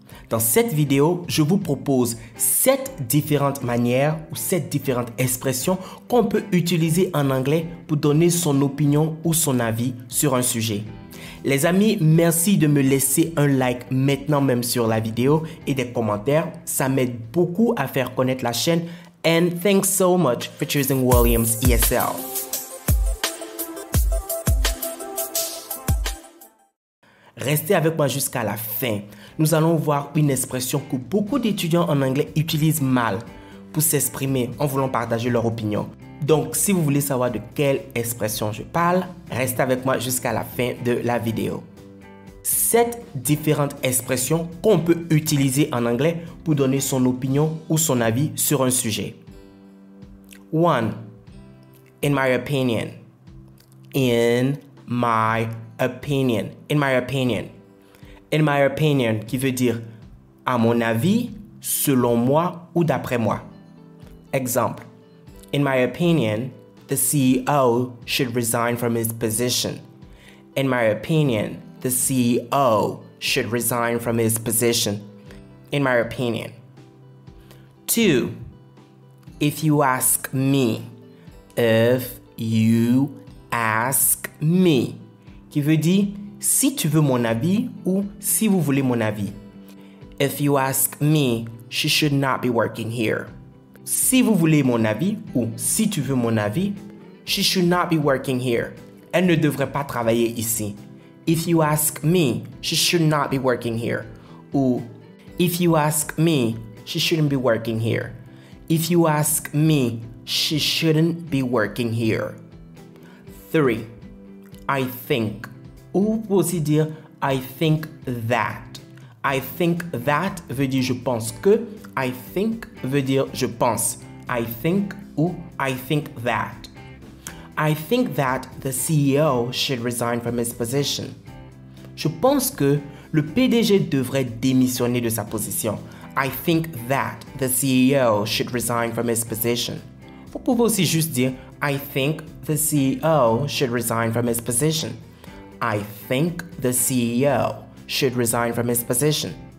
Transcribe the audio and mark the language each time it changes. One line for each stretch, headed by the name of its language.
French: Dans cette vidéo, je vous propose 7 différentes manières ou 7 différentes expressions qu'on peut utiliser en anglais pour donner son opinion ou son avis sur un sujet. Les amis, merci de me laisser un like maintenant même sur la vidéo et des commentaires. Ça m'aide beaucoup à faire connaître la chaîne.
English: And thanks so much for choosing Williams ESL.
French: Restez avec moi jusqu'à la fin. Nous allons voir une expression que beaucoup d'étudiants en anglais utilisent mal pour s'exprimer en voulant partager leur opinion. Donc, si vous voulez savoir de quelle expression je parle, restez avec moi jusqu'à la fin de la vidéo. 7 différentes expressions qu'on peut utiliser en anglais pour donner son opinion ou son avis sur un sujet.
English: 1. In my opinion. In my opinion. In my opinion. In my opinion,
French: qui veut dire à mon avis, selon moi ou d'après moi. Exemple.
English: In my opinion, the CEO should resign from his position. In my opinion, the CEO should resign from his position. In my opinion. 2. If you ask me. If you ask me.
French: Qui veut dire si tu veux mon avis ou si vous voulez mon avis.
English: If you ask me, she should not be working here.
French: Si vous voulez mon avis ou si tu veux mon avis,
English: she should not be working here.
French: Elle ne devrait pas travailler ici.
English: If you ask me, she should not be working here. Ou if you ask me, she shouldn't be working here. If you ask me, she shouldn't be working here. 3. I think.
French: Ou pour aussi dire
English: I think that. I think that
French: veut dire je pense que.
English: I think
French: veut dire je pense.
English: I think ou I think that. I think that the CEO should resign from his position.
French: Je pense que le PDG devrait démissionner de sa position.
English: I think that the CEO should resign from his position.
French: Vous pouvez aussi juste dire
English: I think the CEO should resign from his position. I think the CEO should resign from his position.